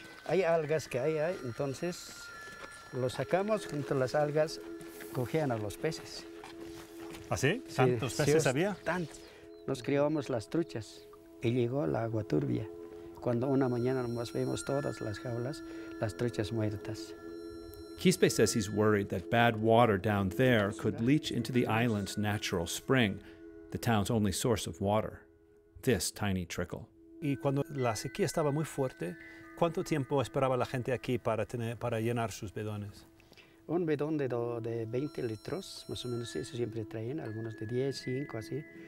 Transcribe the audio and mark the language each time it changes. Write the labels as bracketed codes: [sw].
[es] Hay algas que hay, entonces lo sacamos junto a las algas, cogían a los peces. ¿Ah, sí? ¿Tantos peces había? Tantos. Nos criábamos las truchas y llegó la agua turbia. Cuando una mañana nomás vemos todas las jaulas, las truchas muertas. [en] Quispe says he's worried that bad water down there could leach into the island's natural spring, the town's only source of water, this tiny trickle. [es] Y cuando la sequía estaba muy fuerte, ¿cuánto tiempo esperaba la gente aquí para llenar sus bedones? Un bedón de 20 litros, más o menos, eso siempre traen, algunos de 10, 5, así.